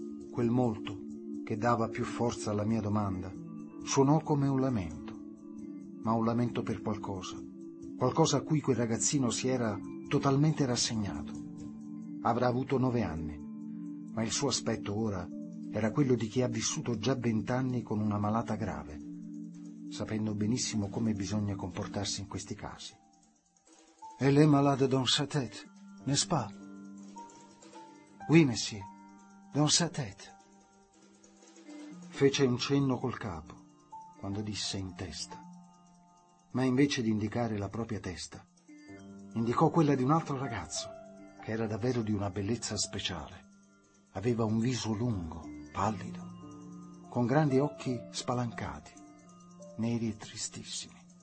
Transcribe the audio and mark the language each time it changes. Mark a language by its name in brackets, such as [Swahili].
[Italian] Quel molto, che dava più forza alla mia domanda, suonò come un lamento, ma un lamento per qualcosa, qualcosa a cui quel ragazzino si era totalmente rassegnato. Avrà avuto 9 anni, ma il suo aspetto ora era quello di chi ha vissuto già 20 anni con una malata grave, sapendo benissimo come bisogna comportarsi in questi casi. [French] «Elle est malade dans sa tête, n'est-ce pas?» «Oui, monsieur, dans sa tête». [Italian] Fece un cenno col capo quando disse «in testa», ma invece di indicare la propria testa, indicò quella di un altro ragazzo, che era davvero di una bellezza speciale. Aveva un viso lungo, pallido, con grandi occhi spalancati, neri e tristissimi.